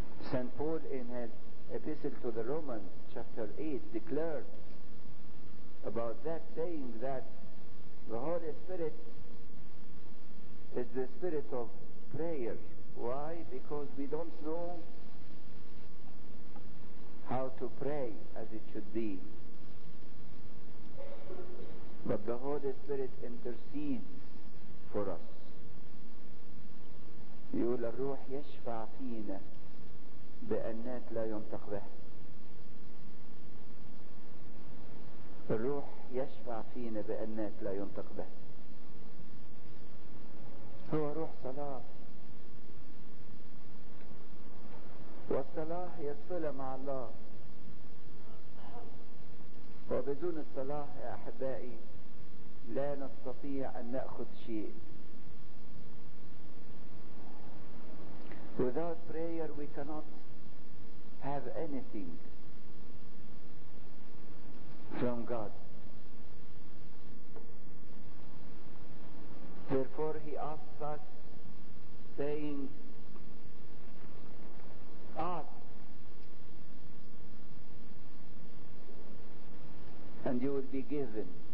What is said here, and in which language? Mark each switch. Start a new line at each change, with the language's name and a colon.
English: St. Paul in his epistle to the Romans chapter 8 declared about that, saying that the Holy Spirit is the spirit of prayer. Why? Because we don't know how to pray as it should be. But the Holy Spirit intercedes for us.
Arabic: يقول الروح يشفع فينا بأنات لا ينطق به. الروح يشفع فينا بأنات لا ينطق به. هو روح صلاة. والصلاة هي الصلة مع الله. وبدون الصلاة يا أحبائي لا نستطيع أن نأخذ شيء.
English: Without prayer we cannot have anything from God. Therefore he asks us, saying, ask and you will be given.